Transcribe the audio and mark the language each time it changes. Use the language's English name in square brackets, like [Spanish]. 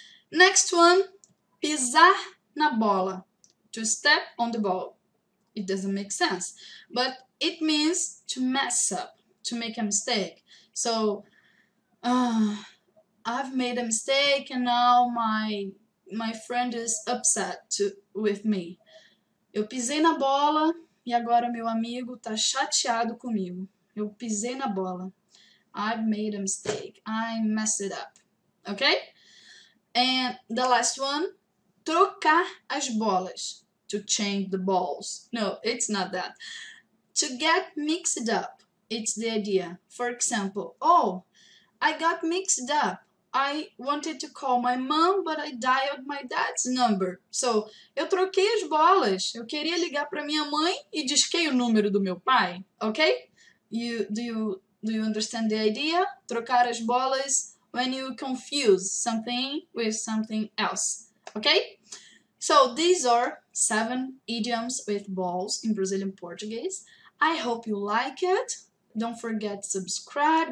[English] Next one, [Portuguese] pisar na bola, [English] to step on the ball. It doesn't make sense, but it means to mess up, to make a mistake. So, I've made a mistake and now my friend is upset with me. [Portuguese] Eu pisei na bola e agora meu amigo tá chateado comigo. Eu pisei na bola. [English] I've made a mistake. I messed it up. Okay? And the last one, [Portuguese] trocar as bolas, [English] to change the balls. No, it's not that. To get mixed up, it's the idea. For example, oh, I got mixed up. I wanted to call my mom, but I dialed my dad's number. [Portuguese] So, eu troquei as bolas. Eu queria ligar para minha mãe e disquei o número do meu pai. [English] Okay? Do you understand the idea? [Portuguese] Trocar as bolas [English] when you confuse something with something else. Okay? So, these are 7 idioms with balls in Brazilian Portuguese. I hope you like it. Don't forget to subscribe.